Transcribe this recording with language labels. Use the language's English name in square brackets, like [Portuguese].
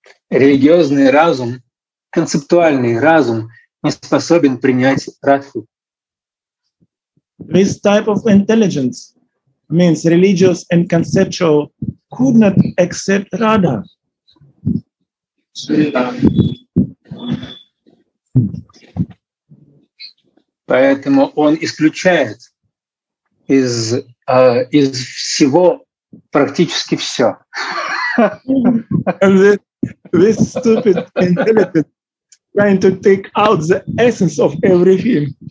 [Russian] Религиозный разум, концептуальный разум, не способен принять Радху. [English] This type of intelligence means religious and conceptual could not accept Radha. [Russian] Поэтому он исключает из всего практически все. [English] And this stupid intelligent trying to take out the essence of everything.